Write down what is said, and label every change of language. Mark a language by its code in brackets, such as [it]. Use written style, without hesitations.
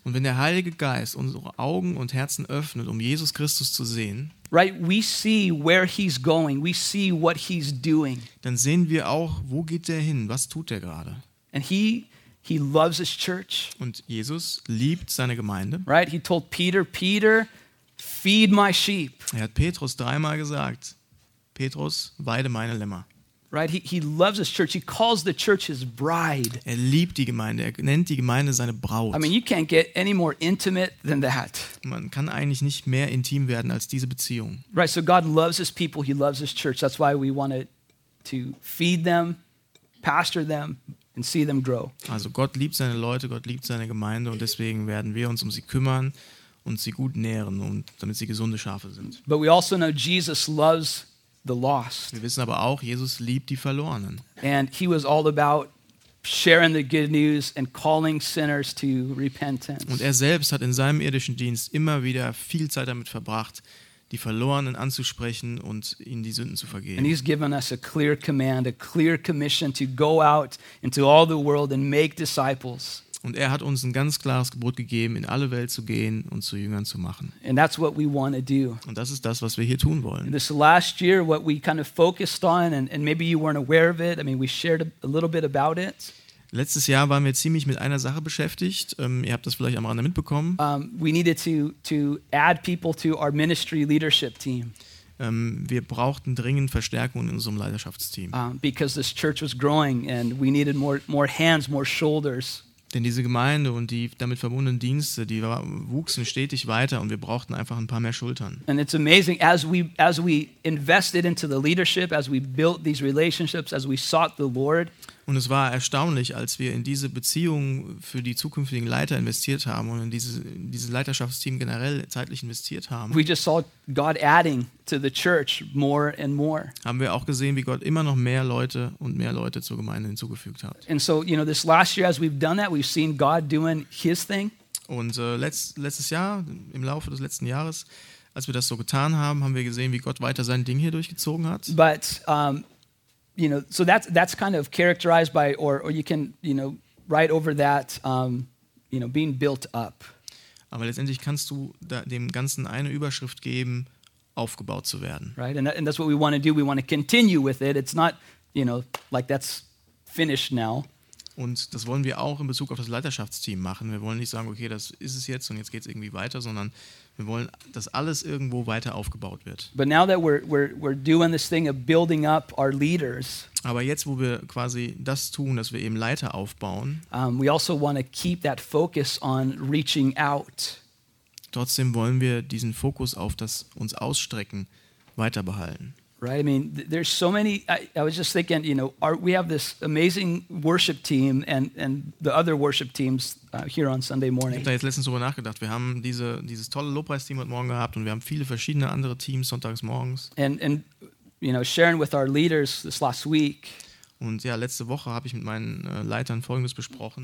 [de] Und wenn der Heilige Geist unsere Augen und Herzen öffnet, um Jesus Christus zu sehen. [en] Right, we see where he's going. We see what he's doing. [de] Dann sehen wir auch, wo geht der hin? Was tut der gerade? [en] And he loves his church. [de] Und Jesus liebt seine Gemeinde. [en] Right, he told Peter, feed my sheep. [de] Er hat Petrus 3-mal gesagt, Petrus, weide meine Lämmer. [en] Right, he loves his church. He calls the church his bride. [de] Er liebt die Gemeinde. Er nennt die Gemeinde seine Braut. [en] I mean, you can't get any more intimate than that. [de] Man kann eigentlich nicht mehr intim werden als diese Beziehung. [en] Right, so God loves his people. He loves his church. That's why we want to feed them, pastor them, and see them grow. [de] Also Gott liebt seine Leute. Gott liebt seine Gemeinde, und deswegen werden wir uns um sie kümmern und sie gut nähren, und damit sie gesunde Schafe sind. [en] But we also know Jesus loves the lost. [de] Wir wissen aber auch, Jesus liebt die Verlorenen. [en] And he was all about sharing the good news and calling sinners to repentance. [de] Und er selbst hat in seinem irdischen Dienst immer wieder viel Zeit damit verbracht, die Verlorenen anzusprechen und ihnen die Sünden zu vergeben. [en] And he's given us a clear command, a clear commission to go out into all the world and make disciples. [de] Und er hat uns ein ganz klares Gebot gegeben, in alle Welt zu gehen und zu Jüngern zu machen. [en] And that's what we want to do. [de] Und das ist das, was wir hier tun wollen. [en] In this last year, what we kind of focused on, and maybe you weren't aware of it, I mean, we shared a little bit about it. [de] Letztes Jahr waren wir ziemlich mit einer Sache beschäftigt. Ihr habt das vielleicht am Rande mitbekommen. [en] We needed to add people to our ministry leadership team. [de] Wir brauchten dringend Verstärkung in unserem Leiterschaftsteam. [en] Because this church was growing and we needed more hands, more shoulders. [de] Denn diese Gemeinde und die damit verbundenen Dienste, die wuchsen stetig weiter und wir brauchten einfach ein paar mehr Schultern. [en] And it's amazing, as we invested into the leadership, as we built these relationships, as we sought the Lord. [de] Und es war erstaunlich, als wir in diese Beziehungen für die zukünftigen Leiter investiert haben und in dieses Leiterschaftsteam generell zeitlich investiert haben. [en] We just saw God adding to the church more and more. [de] Haben wir auch gesehen, wie Gott immer noch mehr Leute und mehr Leute zur Gemeinde hinzugefügt hat. [en] And so, you know, this last year as we've done that, we've seen God doing his thing. [de] Und letztes Jahr, im Laufe des letzten Jahres, als wir das so getan haben, haben wir gesehen, wie Gott weiter sein Ding hier durchgezogen hat. [en] But you know, so that's kind of characterized by, or you can, you know, write over that, you know, being built up. [de] Aber letztendlich kannst du dem Ganzen eine Überschrift geben, aufgebaut zu werden. [en] Right, and that's what we want to do. We want to continue with it. It's not, you know, like that's finished now. [de] Und das wollen wir auch in Bezug auf das Leiterschaftsteam machen. Wir wollen nicht sagen, okay, das ist es jetzt und jetzt geht es irgendwie weiter, sondern wir wollen, dass alles irgendwo weiter aufgebaut wird. [en] But now that we're doing this thing of building up our leaders. [de] Aber jetzt, wo wir quasi das tun, dass wir eben Leiter aufbauen. [en] We also want to keep that focus on reaching out. [de] Trotzdem wollen wir diesen Fokus auf das uns ausstrecken weiterbehalten. [en] Right, I mean, there's so many. I was just thinking, you know, we have this amazing worship team and the other worship teams here on Sunday morning. [de] Ich habe da jetzt letztens drüber nachgedacht. Wir haben dieses tolle Lobpreisteam heute Morgen gehabt und wir haben viele verschiedene andere Teams sonntags morgens. [en] And you know, sharing with our leaders this last week. [de] Und ja, letzte Woche habe ich mit meinen Leitern Folgendes besprochen.